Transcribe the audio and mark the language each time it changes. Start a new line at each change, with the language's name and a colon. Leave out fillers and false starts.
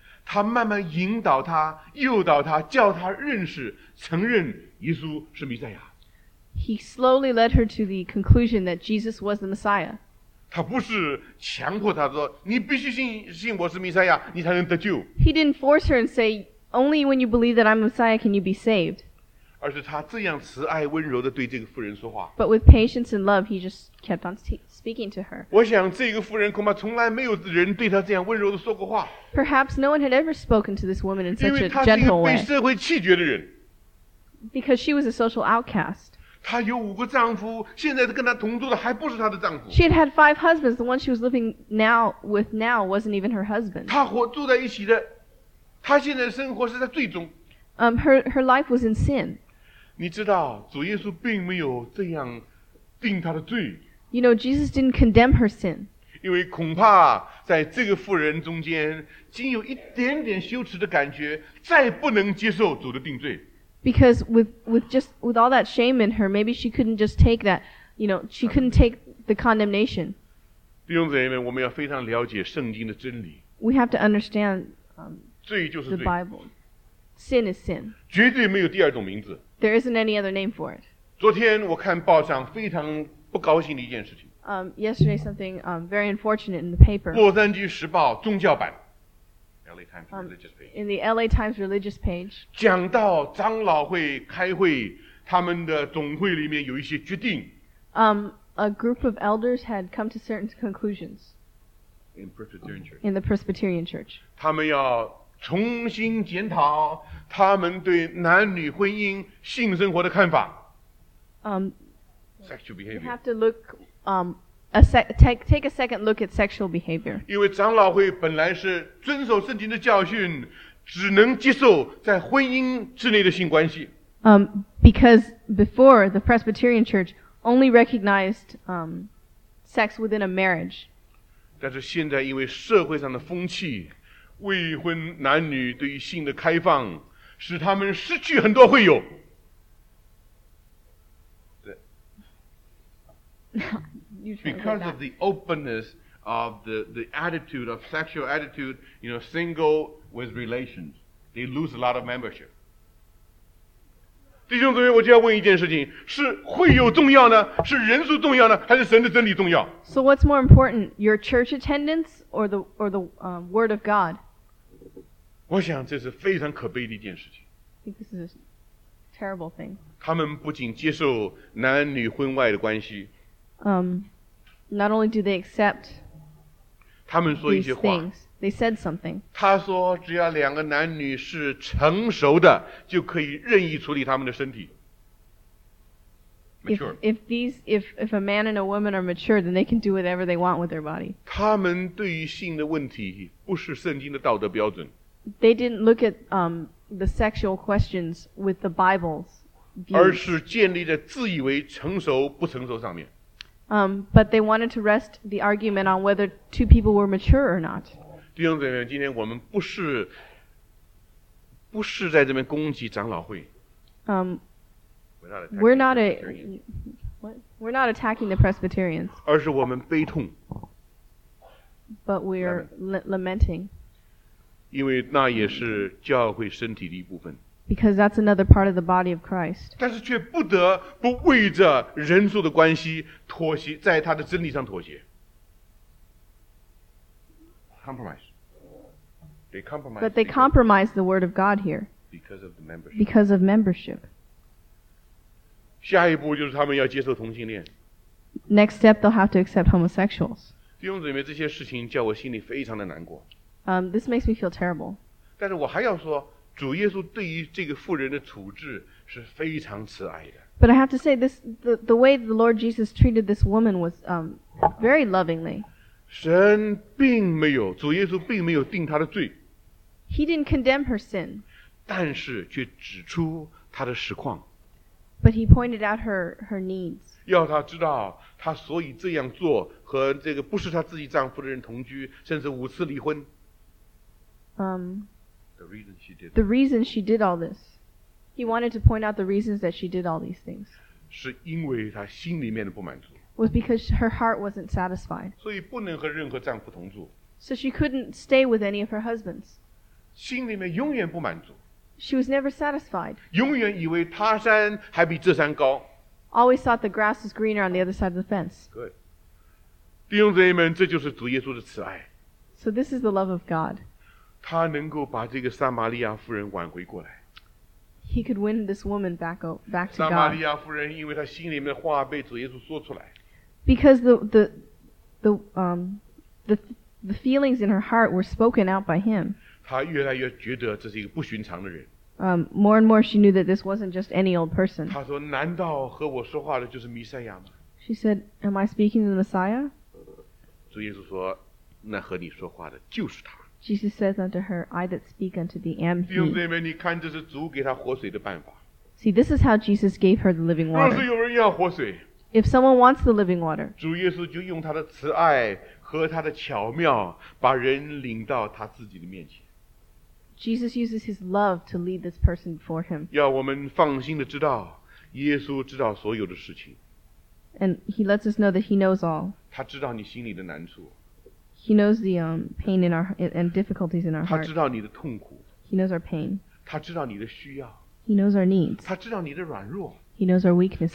Chinese: 他慢慢引导她， 诱导她， 叫她认识， 承认耶稣是弥赛亚。
English: He slowly led her to the conclusion that Jesus was the Messiah.
Chinese: 他不是强迫她说， 你必须信我是弥赛亚， 你才能得救。
English: He didn't force her and say, Only when you believe that I'm Messiah can you be saved.
Chinese: 而是他这样慈爱温柔地对这个妇人说话。
English: But with patience and love, he just kept on speaking to her.
Chinese: 我想这个妇人恐怕从来没有人对她这样温柔地说过话。
English: Perhaps no one had ever spoken to this woman in such a gentle way.
Chinese: 因为她是一个被社会弃绝的人。
English: Because she was a social outcast.
Chinese: 她有五个丈夫， 现在跟她同住的还不是她的丈夫。
English: She had had five husbands. The one she was living now with now wasn't even her husband.
Chinese: 她住在一起的， 她现在生活是在罪中。
English: Her life was in sin.
Chinese: 你知道主耶稣并没有这样定她的罪。
English: You know, Jesus didn't condemn her sin.
Chinese: 因为恐怕在这个妇人中间， 仅有一点点羞耻的感觉， 再不能接受主的定罪。
English: Because with all that shame in her, maybe she couldn't just take that, you know, she couldn't take the condemnation.
Chinese: 弟兄姊妹们， 我们要非常了解圣经的真理。
English: We have to understand the Bible. Sin is sin.
Chinese: 绝对没有第二种名字。
English: There isn't any other name for it.
Chinese: 昨天我看报上非常不高兴的一件事情。
English: Yesterday something very unfortunate in the paper.
Chinese: 洛杉矶时报宗教版。
English: LA Times religious page. In the LA Times religious page.
Chinese: 讲到长老会开会，他们的总会里面有一些决定。
English: A group of elders had come to certain conclusions. In Presbyterian church. In the Presbyterian church.
Chinese: 他们要重新检讨他们对男女婚姻性生活的看法。
English: Sexual behavior. You have to look, take a second look at sexual behavior.
Chinese: 因为长老会本来是遵守圣经的教训，只能接受在婚姻之内的性关系。
English: Because before the Presbyterian Church only recognized sex within a marriage.
Chinese: 但是现在因为社会上的风气，未婚男女对于性的开放，使他们失去很多会友。
English: Because of the openness of the attitude of sexual attitude, you know, single with relations, they lose a lot of membership.
Chinese: 弟兄姊妹，我就要问一件事情：是会友重要呢？是人数重要呢？还是神的真理重要
English: ？So what's more important, your church attendance or the word of God?
Chinese: 我想这是非常可悲的一件事情。
English: This is a terrible thing.
Chinese: 他们不仅接受男女婚外的关系。
English: Not only do they accept these things, they said something.
Chinese: 他说只要两个男女是成熟的，就可以任意处理他们的身体。
English: If a man and a woman are mature, then they can do whatever they want with their body.
Chinese: 他们对于性的问题不是圣经的道德标准。
English: They didn't look at the sexual questions with the Bible's views.
Chinese: 而是建立在自以为成熟不成熟上面。
English: But they wanted to rest the argument on whether two people were mature or not.
Chinese: 弟兄姊妹，今天我们不是在这边攻击长老会。
English: We're not attacking the Presbyterians.
Chinese: 而是我们悲痛。
English: But we're lamenting.
Chinese: 因为那也是教会身体的一部分。
English: Because that's another part of the body of Christ.
Chinese: 但是却不得不为着人数的关系妥协，在他的真理上妥协。
English: Compromise. They compromise. But they compromise the word of God here. Because of the membership. Because of membership.
Chinese: 下一步就是他们要接受同性恋。
English: Next step, they'll have to accept homosexuals.
Chinese: 弟兄姊妹，这些事情叫我心里非常的难过。
English: This makes me feel terrible.
Chinese: 但是我还要说。主耶稣对于这个妇人的处置是非常慈爱的。
English: But I have to say this, the way the Lord Jesus treated this woman was very lovingly.
Chinese: 神并没有，主耶稣并没有定她的罪。
English: He didn't condemn her sin.
Chinese: 但是却指出她的实况。
English: But he pointed out her needs.
Chinese: 要她知道，她所以这样做和这个不是她自己丈夫的人同居，甚至五次离婚。
English: The reason she did all this. He wanted to point out the reasons that she did all these things.
Chinese: 是因为她心里面的不满足。
English: Was because her heart wasn't satisfied.
Chinese: 所以不能和任何丈夫同住。
English: So she couldn't stay with any of her husbands.
Chinese: 心里面永远不满足。
English: She was never satisfied.
Chinese: 永远以为他山还比这山高。
English: Always thought the grass was greener on the other side of the fence.
Chinese: Good. 弟兄姊妹们，这就是主耶稣的慈爱。
English: So this is the love of God.
Chinese: 他能够把这个撒玛利亚夫人挽回过来。
English: He could win this woman back to God.
Chinese: 撒玛利亚夫人因为她心里面的话被主耶稣说出来。
English: Because the feelings in her heart were spoken out by him.
Chinese: 她越来越觉得这是一个不寻常的人。
English: More and more she knew that this wasn't just any old person.
Chinese: 她说：“难道和我说话的就是弥赛亚吗？”
English: She said, "Am I speaking to the Messiah?"
Chinese: 主耶稣说：“那和你说话的就是他。”
English: Jesus says unto her, "I that speak unto thee am he."
Chinese: 弟兄姊妹，你看这是主给她活水的办法。
English: See, this is how Jesus gave her the living water.
Chinese: 若是有人要活水
English: ，If someone wants the living water,
Chinese: 主耶稣就用他的慈爱和他的巧妙，把人领到他自己的面前。
English: Jesus uses his love to lead this person before him.
Chinese: 要我们放心的知道，耶稣知道所有的事情。
English: And he lets us know that he knows all.
Chinese: 他知道你心里的难处。
English: He knows the pain in our and difficulties in our heart.
Chinese: 他知道你的痛苦。
English: He knows our pain.
Chinese: 他知道你的需要。
English: He knows our needs.
Chinese: 他知道你的软弱。
English: He knows our weaknesses.